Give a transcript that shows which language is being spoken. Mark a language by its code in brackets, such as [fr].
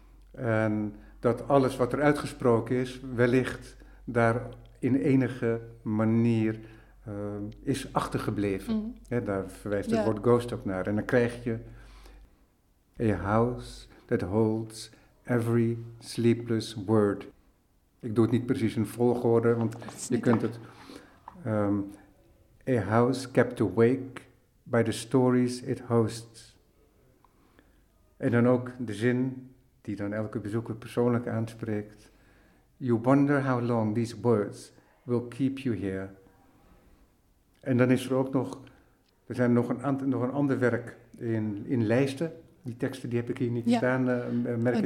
[nl] En dat alles wat er uitgesproken is, wellicht daar in enige manier is achtergebleven. Daar verwijst het woord ghost ook naar. En dan krijg je [en] a house that holds every sleepless word. [nl] Ik doe het niet precies in volgorde, want je kunt het. [en] A house kept awake by the stories it hosts. [nl] En dan ook de zin die dan elke bezoeker persoonlijk aanspreekt. [en] You wonder how long these words will keep you here. [nl] En dan is er ook nog, er zijn nog een ander werk in lijsten. Die teksten die heb ik hier niet staan, merk ik